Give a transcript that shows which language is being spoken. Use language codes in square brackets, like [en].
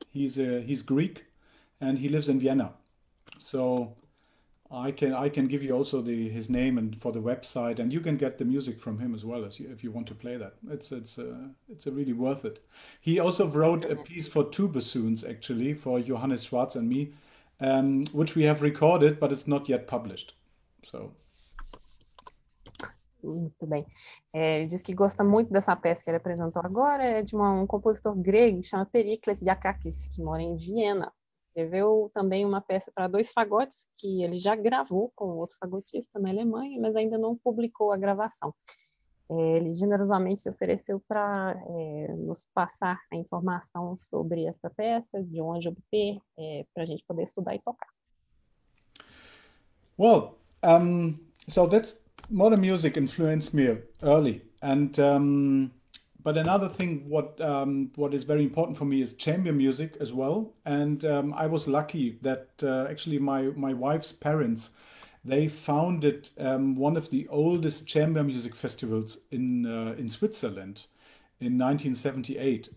[en] He's Greek, and he lives in Vienna. So I can give you also his name and for the website, and you can get the music from him as well if you want to play that. It's really worth it. He also wrote a piece for two bassoons, actually, for Johannes Schwarz and me, which we have recorded, but it's not yet published. So. [pt] Muito bem. É, ele diz que gosta muito dessa peça que ele apresentou agora, é de um compositor grego que chama Pericles Liakakis, que mora em Viena. Escreveu também uma peça para dois fagotes que ele já gravou com outro fagotista na Alemanha, mas ainda não publicou a gravação. É, ele generosamente se ofereceu para nos passar a informação sobre essa peça, de onde obter, para a gente poder estudar e tocar. [en] Well, so that's modern music influenced me early, and but another thing what is very important for me is chamber music as well. And I was lucky that actually my wife's parents, they founded one of the oldest chamber music festivals in Switzerland in 1978.